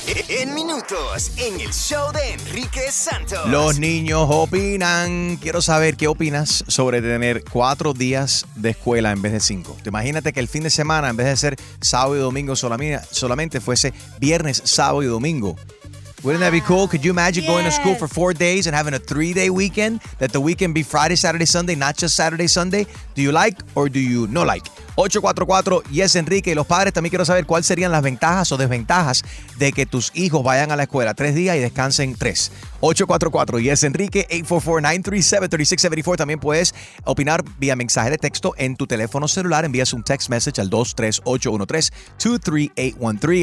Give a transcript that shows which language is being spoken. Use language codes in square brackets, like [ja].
[es] En minutos, en el show de Enrique Santos. Los niños opinan. Quiero saber qué opinas sobre tener 4 días de escuela en vez de 5. Imagínate que el fin de semana, en vez de ser sábado y domingo solamente fuese viernes, sábado y domingo. [en] Wouldn't that be cool? Could you imagine going to school for 4 days and having a 3-day weekend? That the weekend be Friday, Saturday, Sunday, not just Saturday, Sunday? Do you like or do you not like? 844, yes, Enrique. [es] Y los padres, también quiero saber cuáles serían las ventajas o desventajas de que tus hijos vayan a la escuela 3 días y descansen 3. [en] 844, yes, Enrique. 844-937-3674. [es] También puedes opinar vía mensaje de texto en tu teléfono celular. Envías un text message al 23813-23813.